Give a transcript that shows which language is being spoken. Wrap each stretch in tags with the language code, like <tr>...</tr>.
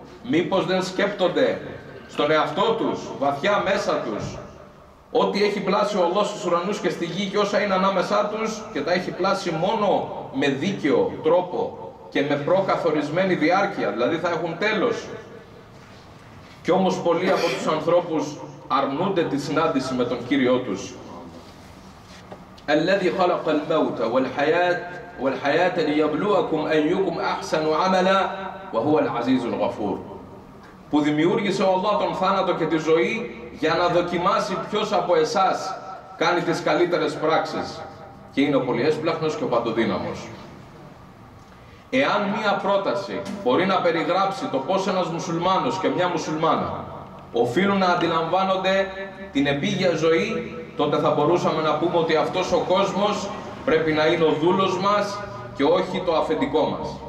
<el>Μήπως δεν σκέπτονται στον εαυτό τους, βαθιά μέσα τους, ό,τι έχει πλάσει ο Αλλάχ στους ουρανούς και στη γη και όσα είναι ανάμεσά τους, και τα έχει πλάσει μόνο με δίκαιο τρόπο και με προκαθορισμένη διάρκεια, δηλαδή θα έχουν τέλος. Κι όμως πολλοί από τους ανθρώπους αρνούνται τη συνάντηση με τον Κύριό τους.</el> <ar>الذي خلق الموت والحياة والحياة ليبلوكم أيكم أحسن عملا وهو العزيز الغفور.</ar> <el>Που δημιούργησε ο Αλλάχ τον θάνατο και τη ζωή για να δοκιμάσει ποιος από εσάς κάνει τις καλύτερες πράξεις. Και είναι ο πολυέσπλαχνος και ο παντοδύναμος. Εάν μία πρόταση μπορεί να περιγράψει το πώς ένας μουσουλμάνος και μια μουσουλμάνα οφείλουν να αντιλαμβάνονται την επίγεια ζωή, τότε θα μπορούσαμε να πούμε ότι αυτός ο κόσμος πρέπει να είναι ο δούλος μας και όχι το αφεντικό μας.</el>